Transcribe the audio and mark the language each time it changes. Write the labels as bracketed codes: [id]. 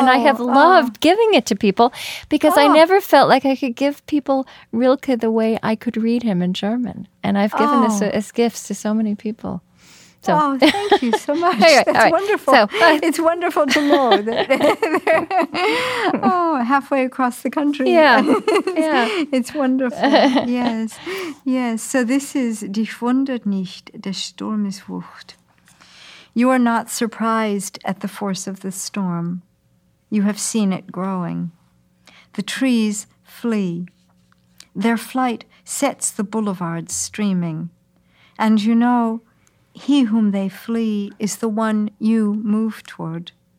[en] And I have loved giving it to people because I never felt like I could give people Rilke the way I could read him in German. And I've given this as gifts to so many people. So. Oh, thank you so much. Anyway, that's right. Wonderful. It's wonderful to know that halfway across the country. Yeah. It's wonderful. Yes. Yes. So this is, [de] Dich wundert nicht, der Sturm ist Wucht. [en] You are not surprised at the force of the storm. You have seen it growing. The trees flee. Their flight sets the boulevards streaming. And you know, he whom they flee is the one you move toward.